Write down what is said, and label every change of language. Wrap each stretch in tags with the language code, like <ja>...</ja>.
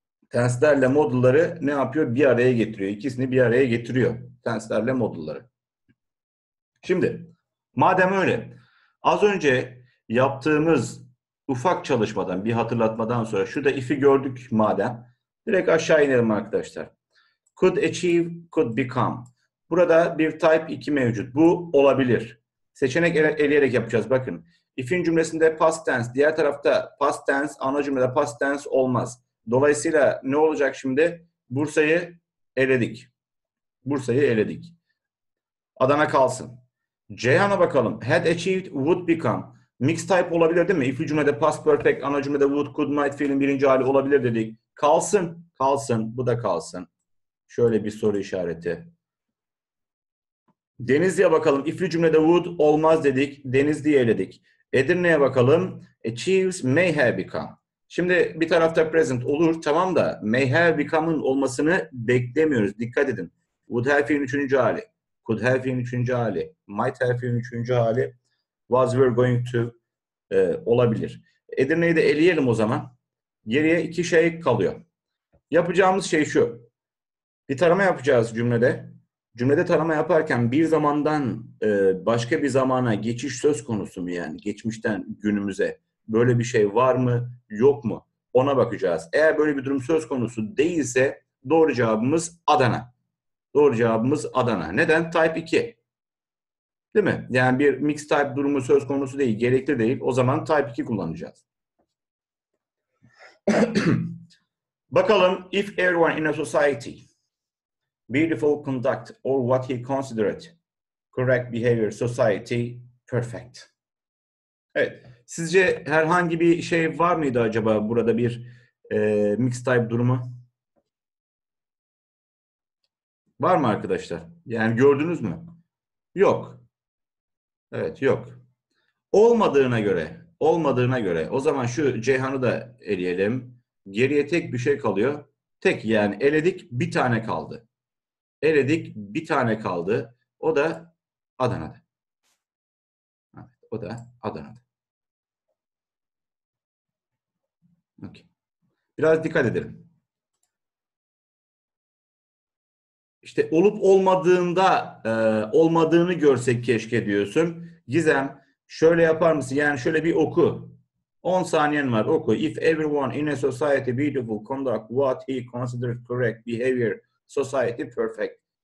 <tr>Tenslerle modelları ne yapıyor? Bir araya getiriyor. İkisini bir araya getiriyor. Tenslerle modelları. Şimdi, madem öyle, az önce yaptığımız ufak çalışmadan, bir hatırlatmadan sonra, şurada if'i gördük madem, direkt aşağı inelim arkadaşlar.</tr> <en>Could achieve, could become.</en> <tr>Burada bir type 2 mevcut. Bu olabilir. Seçenek eleyerek yapacağız. Bakın, if'in cümlesinde past tense, diğer tarafta past tense, ana cümlede past tense olmaz. Dolayısıyla ne olacak şimdi? Bursa'yı eledik. Bursa'yı eledik. Adana kalsın. Ceyhan'a bakalım.</tr> <en>Had achieved, would become.</en> <tr>Mixed type olabilir değil mi? If cümlede past perfect, ana cümlede would, could, might fiilin birinci hali olabilir dedik. Kalsın. Kalsın. Bu da kalsın. Şöyle bir soru işareti. Denizli'ye bakalım. If cümlede would olmaz dedik. Denizli'yi eledik. Edirne'ye bakalım.</tr> <en>Achieves, may have become.</en> <tr>Şimdi bir tarafta present olur tamam da may have become'ın olmasını beklemiyoruz. Dikkat edin.</tr> <en>Would have been</en> <tr>üçüncü hali.</tr> <en>Could have been üçüncü hali. Might have been üçüncü hali. Was were going to olabilir.</en> <tr>Edirne'yi de eleyelim o zaman. Geriye iki şey kalıyor. Yapacağımız şey şu. Bir tarama yapacağız cümlede. Cümlede tarama yaparken bir zamandan başka bir zamana geçiş söz konusu mu, yani geçmişten günümüze böyle bir şey var mı yok mu, ona bakacağız. Eğer böyle bir durum söz konusu değilse doğru cevabımız Adana. Doğru cevabımız Adana. Neden? Type 2. Değil mi? Yani bir mixed type durumu söz konusu değil, gerekli değil. O zaman Type 2 kullanacağız.</tr> <en>Bakalım, if everyone in a society beautiful conduct or what he considered correct behavior society perfect.</en> <tr>Evet. Sizce herhangi bir şey var mıydı acaba burada, bir mixed type durumu? Var mı arkadaşlar? Yani gördünüz mü? Yok. Evet, yok. Olmadığına göre o zaman şu Ceyhan'ı da eleyelim. Geriye tek bir şey kalıyor. Tek, yani eledik, bir tane kaldı. Eledik, bir tane kaldı. O da Adana'da. Evet, o da Adana'da. Okey. Biraz dikkat edelim. İşte olup olmadığında olmadığını görsek keşke diyorsun. Gizem, şöyle yapar mısın? Yani şöyle bir oku. 10 saniyen var, oku.</tr> <en>If everyone in a society beautiful conduct what he considered correct behavior society perfect.</en>